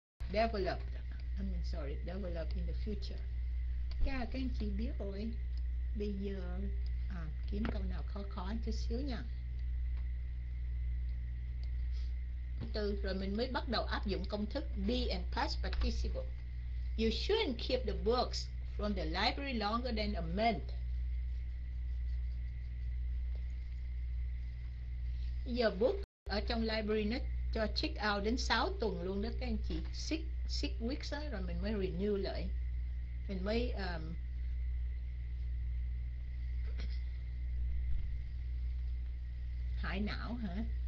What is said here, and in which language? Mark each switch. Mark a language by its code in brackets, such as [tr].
[en] Developed, I mean sorry, developed in the future. [vi] Yeah, các anh chị biết rồi. Bây giờ kiếm câu nào khó khó chút xíu nha. Từ rồi mình mới bắt đầu áp dụng công thức be and past participle. [en] You shouldn't keep the books from the library longer than a month. [vi] Giờ book ở trong library nó cho check out đến 6 tuần luôn đó các anh chị. [en] 6 weeks [vi] đó, rồi mình mới renew lại. Mình mới thải não hả?